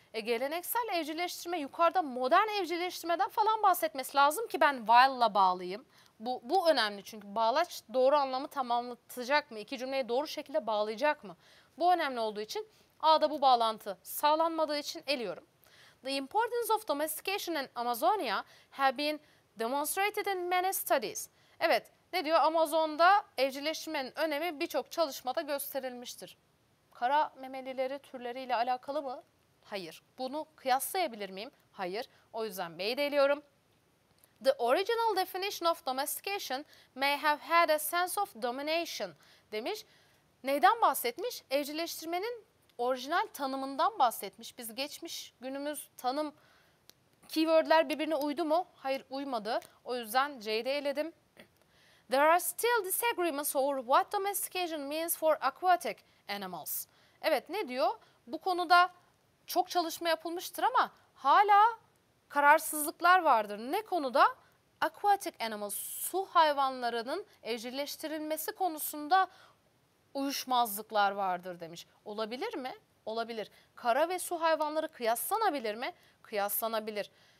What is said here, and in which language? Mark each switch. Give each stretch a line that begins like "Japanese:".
Turkish: Geleneksel evcilleştirme, yukarıda modern evcilleştirmeden falan bahsetmesi lazım ki ben while'la bağlayayım. Bu önemli çünkü bağlaç doğru anlamı tamamlatacak mı? İki cümleyi doğru şekilde bağlayacak mı? Bu önemli olduğu için A'da bu bağlantı sağlanmadığı için eliyorum.
English: The importance of domestication in Amazonia have been demonstrated in many studies.
Turkish: Evet, ne diyor? Amazon'da evcilleştirmenin önemi birçok çalışmada gösterilmiştir. Kara memelileri türleriyle alakalı mı? Hayır. Bunu kıyaslayabilir miyim? Hayır. O yüzden B'yi de eliyorum.
English: The original definition of domestication may have had a sense of domination demiş.
Turkish: Neyden bahsetmiş? Evcilleştirmenin orijinal tanımından bahsetmiş. Biz geçmiş günümüz tanım keywordler birbirine uydu mu? Hayır, uymadı. O yüzden C'yi de eledim.
English: There are still disagreements over what domestication means for aquatic animals.
Turkish: Evet, ne diyor? Bu konuda çok çalışma yapılmıştır ama hala kararsızlıklar vardır. Ne konuda? Aquatic animals, su hayvanlarının evcilleştirilmesi konusunda uyuşmazlıklar vardır demiş. Olabilir mi? Olabilir. Kara ve su hayvanları kıyaslanabilir mi? Kıyaslanabilir.